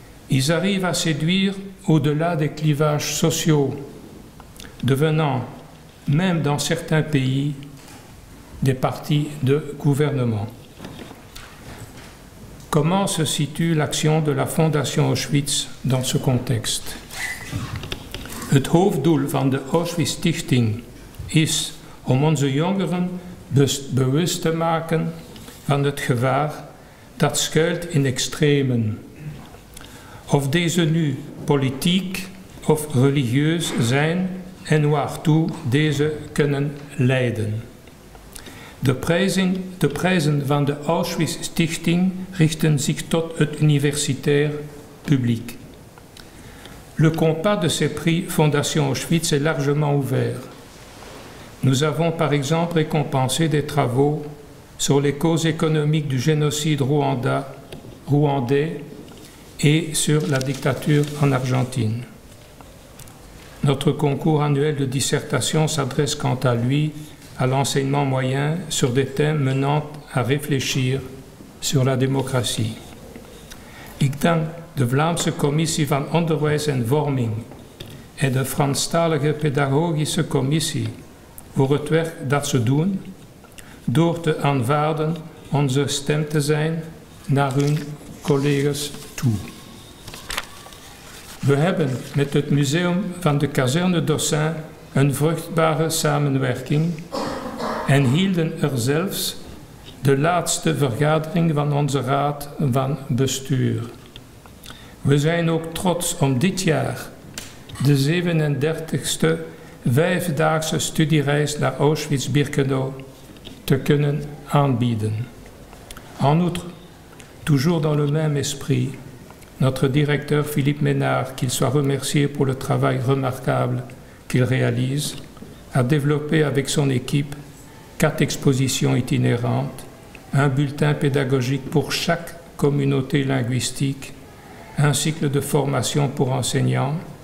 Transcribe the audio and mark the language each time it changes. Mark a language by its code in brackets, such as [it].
[fr] Ils arrivent à séduire au-delà des clivages sociaux, devenant, même dans certains pays, des partis de gouvernement. Comment se situe l'action de la Fondation Auschwitz dans ce contexte? [nl] Het hoofddoel van de Auschwitz Stichting is om onze jongeren bewust te maken van het gevaar dat schuilt in extremen. Of deze nu politiek of religieus zijn, en waartoe deze kunnen leiden. De prijzen van de Auschwitz-stichting richten zich tot het universitair publiek. [fr] Le compas de ces prix Fondation Auschwitz est largement ouvert. Nous avons par exemple récompensé des travaux sur les causes économiques du génocide rwandais et sur la dictature en Argentine. Notre concours annuel de dissertation s'adresse quant à lui à l'enseignement moyen sur des thèmes menant à réfléchir sur la démocratie. [nl] Ik dank de Vlaamse Commissie van Onderwijs en Vorming en de Franstalige Pedagogische Commissie voor het werk dat ze doen door te aanvaarden onze stem te zijn naar hun collega's toe. We hebben met het museum van de kazerne Dossin een vruchtbare samenwerking en hielden er zelfs de laatste vergadering van onze raad van bestuur. We zijn ook trots om dit jaar de 37e vijfdaagse studiereis naar Auschwitz-Birkenau te kunnen aanbieden. [fr] En outre, toujours dans le même esprit, notre directeur Philippe Ménard, qu'il soit remercié pour le travail remarquable qu'il réalise, a développé avec son équipe 4 expositions itinérantes, un bulletin pédagogique pour chaque communauté linguistique, un cycle de formation pour enseignants,